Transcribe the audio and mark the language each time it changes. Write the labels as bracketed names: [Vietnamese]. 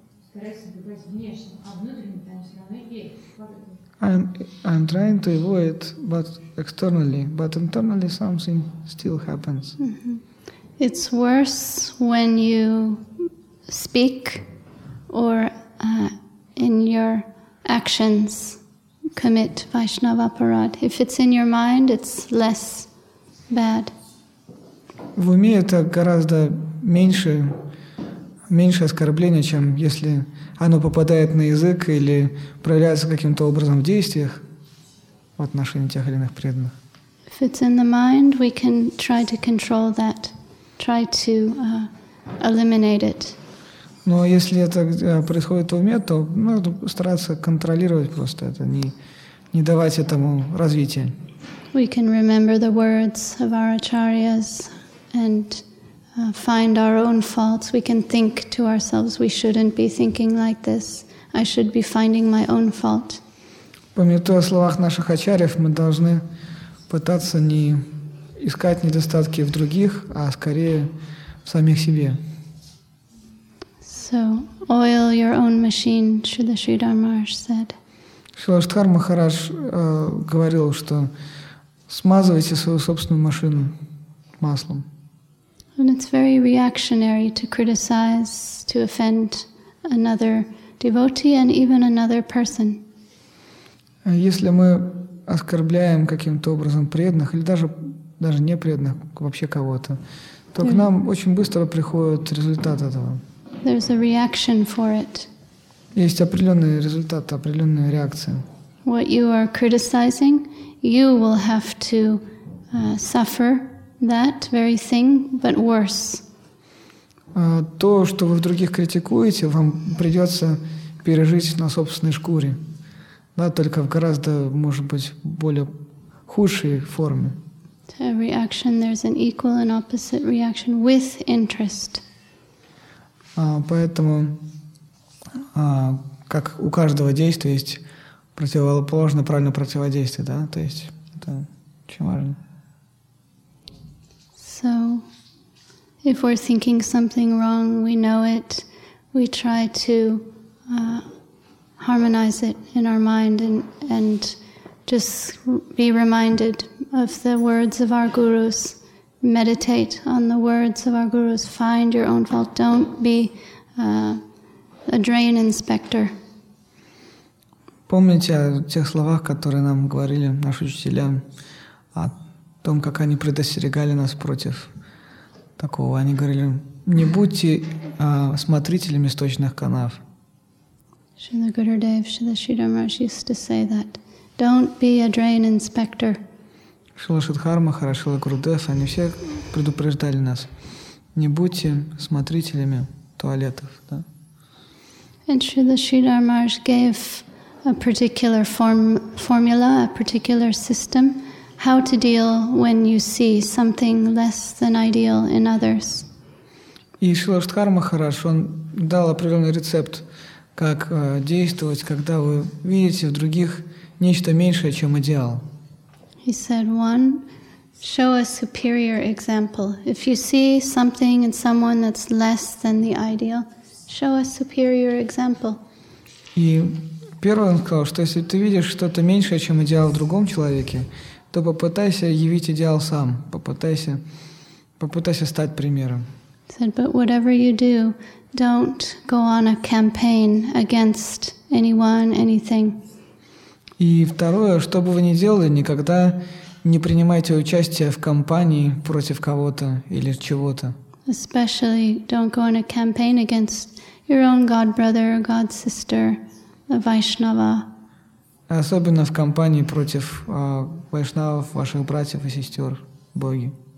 [Russian] стараюсь избегать внешне, а внутренне там все равно есть. [English] I'm trying to avoid, but internally something still happens. Mm-hmm. It's worse when you speak or in your actions commit Vaishnava Parad. If it's in your mind, it's less bad. [Russian] В уме это гораздо меньше оскорбление, чем если оно попадает на язык или проявляется каким-то образом в действиях в отношении тех или иных преданных. [English] If it's in the mind, we can try to control that, try to eliminate it. [Russian] Но если это происходит в уме, то надо стараться контролировать просто это, не давать этому развития. [English] We can remember the words of our acharyas and find our own faults. We can think to ourselves, we shouldn't be thinking like this. I should be finding my own fault. [Russian] Помятуя о словах наших ачарьев, мы должны пытаться не искать недостатки в других, а скорее в самих себе. [English] So, oil your own machine, Śrīla Śrīdhara Mahārāja said. [Russian] Śrīla Śrīdhara Mahārāja говорил, что смазывайте свою собственную машину маслом. [English] And it's very reactionary to criticize, to offend another devotee and even another person. [Russian] Если мы оскорбляем каким-то образом преданных или даже не преданных, вообще кого-то, то к нам очень быстро приходит результат этого. [English] There's a reaction for it. [Russian] Есть определенный результат, определенная реакция. [English] What you are criticizing, you will have to suffer that very thing, but worse. [Russian] То, что вы в других критикуете, вам придется пережить на собственной шкуре. Да, только в гораздо, может быть, более худшей форме. [English] To every action there's an equal and opposite reaction with interest. [Russian] Поэтому, как у каждого действия есть противоположно правильное противодействие, да? То есть это очень важно. [English] So, if we're thinking something wrong, we know it, we try to harmonize it in our mind and just be reminded of the words of our gurus. Meditate on the words of our gurus. Find your own fault. Don't be a drain inspector. [Russian] Помните о тех словах, которые нам говорили наши учителя, о том, как они предостерегали нас против такого. Они говорили, не будьте смотрителем источных канав. [English] Srila Gurudev, Srila Sridhar Maharaj used to say that. Don't be a drain inspector. [Russian] Шрила Шридхар Махарадж, Шрила Гурудев, они все предупреждали нас. Не будьте смотрителями туалетов. Да? [English] And Srila Sridhar Maharaj gave a particular formula, a particular system, how to deal when you see something less than ideal in others. [Russian] И Шрила Шридхар Махарадж, он дал определенный рецепт, как действовать, когда вы видите в других нечто меньшее, чем идеал. [English] He said, one, show a superior example. If you see something in someone that's less than the ideal, show a superior example. [Russian] И первое он сказал, что если ты видишь что-то меньшее, чем идеал в другом человеке, то попытайся явить идеал сам, попытайся стать примером. [English] He said, but whatever you do, don't go on a campaign against anyone, anything. [Russian] И второе, что бы вы ни делали, никогда не принимайте участие в кампании против кого-то или чего-то. [English] Especially don't go on a campaign against your own god brother, god sister, a Vaishnava. [Russian] Особенно в кампании против вайшнавов, ваших братьев и сестер, боги.